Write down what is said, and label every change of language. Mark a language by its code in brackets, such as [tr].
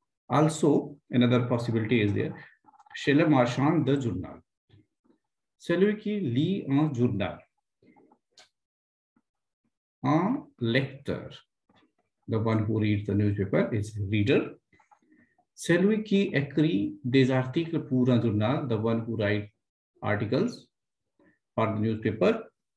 [en] Also, another possibility is there. [fr] Chez le marchand de journal. Celui qui lit un journal. Un lecteur. [en] The one who reads the newspaper is reader. [fr] Celui qui écrit des articles pour un journal. [en] The one who writes articles for the newspaper.